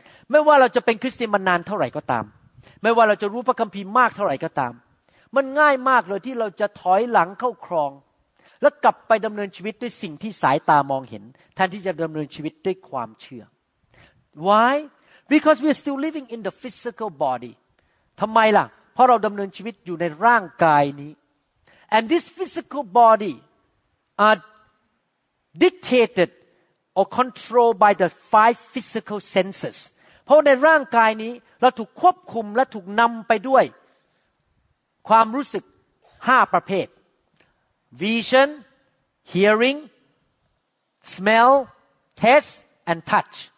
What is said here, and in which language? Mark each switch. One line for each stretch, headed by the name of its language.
Thai: ไม่ว่าเราจะเป็นคริสเตียนมานานเท่าไหร่ก็ตามไม่ว่าเราจะรู้พระคัมภีร์มากเท่าไหร่ก็ตามมันง่ายมากเลยที่เราจะถอยหลังเข้าครองแล้วกลับไปดำเนินชีวิตด้วยสิ่งที่สายตามองเห็นแทนที่จะดำเนินชีวิตด้วยความเชื่อ
English: Why? Because we are still living in the physical body.
Thai: ทำไมล่ะเพราะเราดำเนินชีวิตอยู่ในร่างกายนี้
English: And this physical body are dictated or controlled by the five physical senses.
Thai: เพราะในร่างกายนี้เราถูกควบคุมและถูกนำไปด้วยความรู้สึก5ประเภท
English: Vision, Hearing, Smell, Taste, and Touch.